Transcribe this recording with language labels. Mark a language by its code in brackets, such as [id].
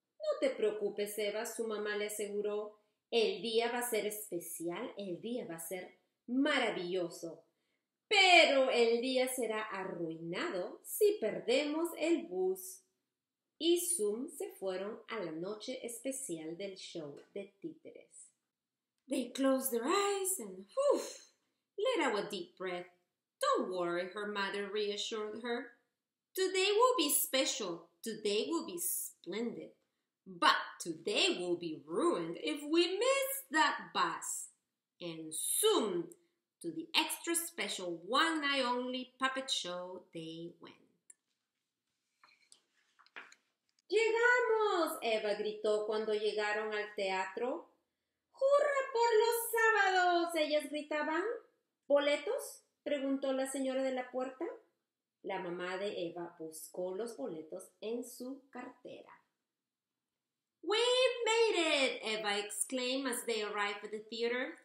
[es] No te preocupes, Eva, su mamá le aseguró. El día va a ser especial, el día va a ser maravilloso. Pero el día será arruinado si perdemos el bus. Y Zoom se fueron a la noche especial del show de títeres. [en] They closed their eyes and let out a deep breath. Don't worry, her mother reassured her. Today will be special. Today will be splendid. But today will be ruined if we miss that bus. And soon, to the extra special one night only puppet show they went. [es] ¡Llegamos! Eva gritó cuando llegaron al teatro. ¡Hurra por los sábados! Ellas gritaban. ¿Boletos? Preguntó la señora de la puerta. La mamá de Eva buscó los boletos en su cartera. [en] We made it, Eva exclaimed as they arrived at the theater.